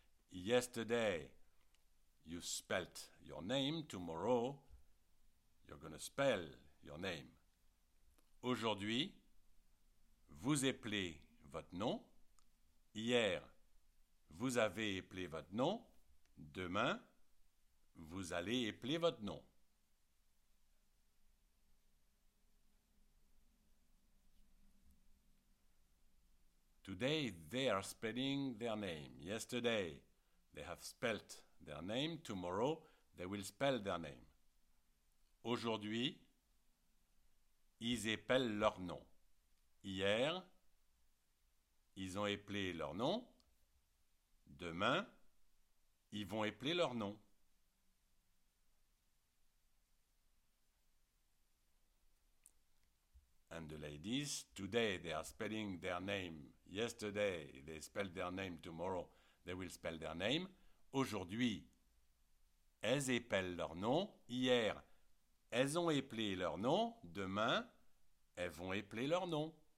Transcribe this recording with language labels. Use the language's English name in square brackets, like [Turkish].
[English] Yesterday, you spelt your name. Tomorrow, you're going to spell your name. [French] Aujourd'hui, vous épelez votre nom. Hier, vous avez épelé votre nom. Demain, vous allez épeler votre nom. [English] Today, they are spelling their name. Yesterday, they have spelt their name. Tomorrow, they will spell their name. [French] Aujourd'hui, ils épellent leur nom. Hier, ils ont épelé leur nom. Demain, ils vont épeler leur nom. [English] and the ladies. Today they are spelling their name. Yesterday they spelled their name. Tomorrow they will spell their name. [French] Aujourd'hui, elles épellent leur nom. Hier, elles ont épelé leur nom. Demain, elles vont épeler leur nom.